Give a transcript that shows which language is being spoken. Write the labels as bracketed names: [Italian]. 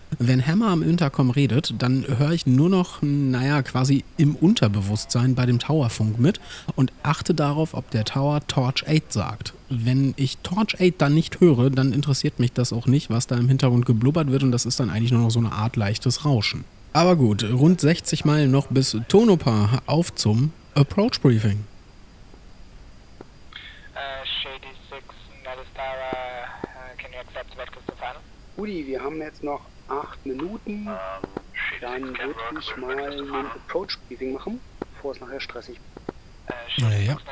[German] Wenn Hammer am Intercom redet, dann höre ich nur noch, naja, quasi im Unterbewusstsein bei dem Towerfunk mit und achte darauf, ob der Tower Torch 8 sagt. Wenn ich Torch 8 dann nicht höre, dann interessiert mich das auch nicht, was da im Hintergrund geblubbert wird und das ist dann eigentlich nur noch so eine Art leichtes Rauschen. Aber gut, rund 60 Meilen noch bis Tonopah, auf zum Approach Briefing. [English] Shady 6, Nadestara, can you accept the vectors to final? [German] Udi, wir haben jetzt noch 8 Minuten, dann würde ich mal ein Approach Briefing machen, bevor es nachher stressig wird.